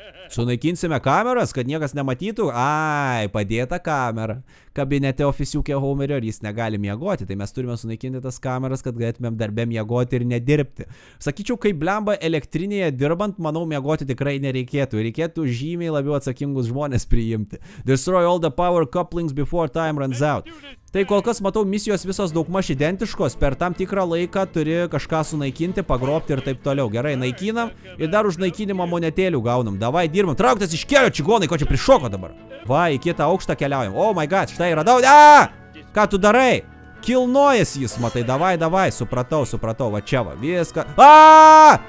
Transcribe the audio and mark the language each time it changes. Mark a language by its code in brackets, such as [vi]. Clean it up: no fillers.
[lt] Sunaikinsime kameras, kad niekas nematytų? Ai, padėta kamera. Kabinete ofisiukė Homerio ir jis negali miegoti, tai mes turime sunaikinti tas kameras, kad galėtumėm darbe miegoti ir nedirbti. Sakyčiau, kaip blemba elektrinėje dirbant, manau, miegoti tikrai nereikėtų. Reikėtų žymiai labiau atsakingus žmonės priimti. [en] Destroy all the power couplings before time runs out. [lt] Tai kol kas matau, misijos visos daugmaž identiškos, per tam tikrą laiką turi kažką sunaikinti, pagrobti ir taip toliau. Gerai, naikinam ir dar už naikinimą monetėlių gaunam. Davai, dirbam, trauktas iš kelio, čigonai, ko čia prišoko dabar? Va, į kitą aukštą keliaujam. [en] Oh my god, [lt] štai radau, aaa! Ką tu darai? Kilnojas jis, matai, davai, davai, supratau, supratau, va čia va, viską. Aaaa!